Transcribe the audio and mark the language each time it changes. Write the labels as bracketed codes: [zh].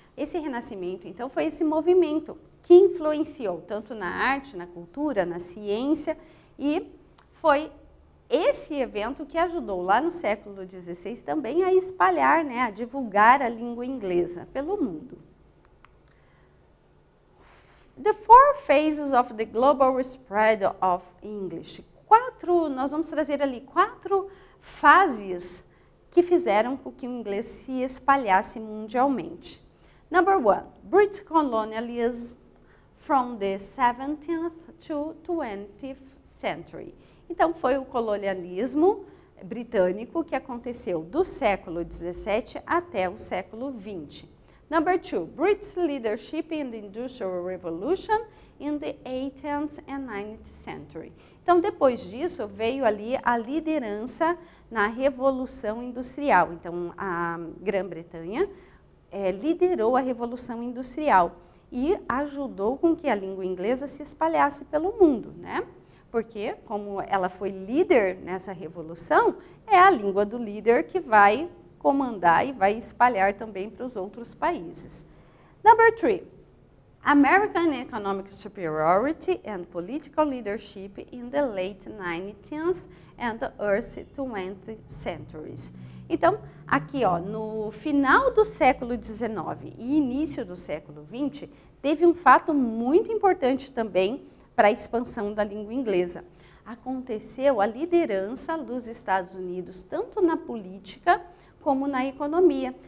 [pt] Esse Renascimento, então, foi esse movimento que influenciou tanto na arte, na cultura, na ciência, e foi esse evento que ajudou lá no século XVI também a espalhar, né, a divulgar a língua inglesa pelo mundo. [en] The four phases of the global spread of English. [pt] Nós vamos trazer ali quatro fases que fizeram com que o inglês se espalhasse mundialmente. [en] Number one, British colonialism from the 17th to 20th century. [pt] Então, foi o colonialismo britânico que aconteceu do século 17 até o século 20. [en] Number two, British leadership in the Industrial Revolution in the 18th and 19th century. [pt] Então, depois disso, veio ali a liderança na Revolução Industrial. Então, a Grã-Bretanha liderou a Revolução Industrial e ajudou com que a língua inglesa se espalhasse pelo mundo, né? Porque, como ela foi líder nessa revolução, é a língua do líder que vai comandar e vai espalhar também para os outros países. [en] Number three, American economic superiority and political leadership in the late 19th and the early 20th centuries. [pt] Então, aqui ó, no final do século 19 e início do século 20, teve um fato muito importante também para a expansão da língua inglesa. Aconteceu a liderança dos Estados Unidos, tanto na política como na economia.